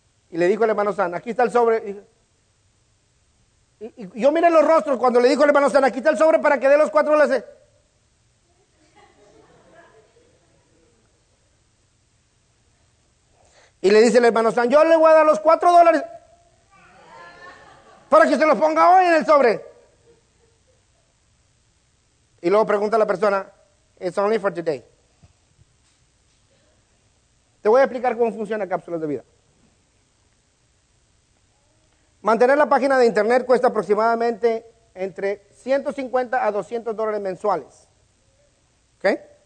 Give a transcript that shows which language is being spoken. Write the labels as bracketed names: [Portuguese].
[Spanish] Y le dijo el hermano San, aquí está el sobre. Y yo miré los rostros cuando le dijo el hermano San, aquí está el sobre para que dé los cuatro las... Y le dice el hermano San, yo le voy a dar los $4 para que se los ponga hoy en el sobre. Y luego pregunta a la persona, [English] it's only for today. [Spanish] Te voy a explicar cómo funciona Cápsulas de Vida. Mantener la página de internet cuesta aproximadamente entre $150 a $200 mensuales. ¿Ok?